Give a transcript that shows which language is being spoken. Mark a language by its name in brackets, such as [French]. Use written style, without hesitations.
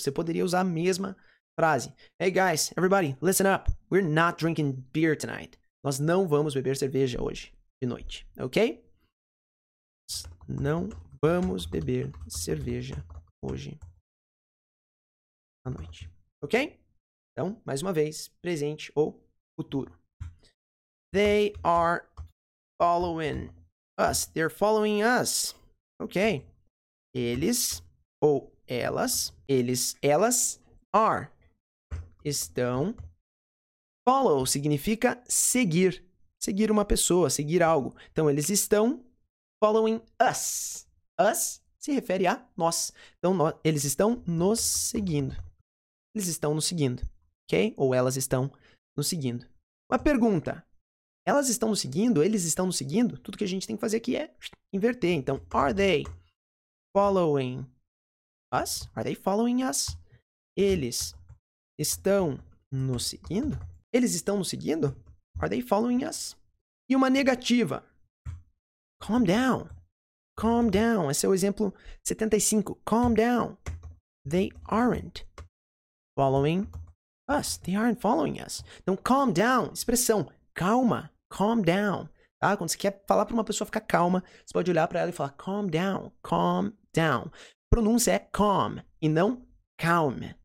[Portuguese] Você poderia usar a mesma frase. [English] Hey guys, everybody, listen up. We're not drinking beer tonight. [Portuguese] Nós não vamos beber cerveja hoje de noite. Ok? Não vamos beber cerveja hoje à noite. Ok? Então, mais uma vez, presente ou futuro. [English] They are following us. They're following us. Ok. [Portuguese] Eles ou elas. Eles, elas are. Estão. Follow significa seguir. Seguir uma pessoa, seguir algo. Então, eles estão [English] following us. [Portuguese] Us se refere a nós. Então, nós, eles estão nos seguindo. Eles estão nos seguindo. Ok? Ou elas estão nos seguindo. Uma pergunta. Elas estão nos seguindo? Eles estão nos seguindo? Tudo que a gente tem que fazer aqui é inverter. [English] Então, are they following us? Are they following us? [Portuguese] Eles estão nos seguindo? Eles estão nos seguindo? [English] Are they following us? E uma negativa. Calm down. Calm down. [Portuguese] Esse é o exemplo 75. Calm down. [English] They aren't following us. They aren't following us. [Portuguese] Então, calm down. Expressão. Calma. Calm down. Tá? Quando você quer falar para uma pessoa ficar calma, você pode olhar para ela e falar calm down. Calm down. Pronúncia é calm e não calm.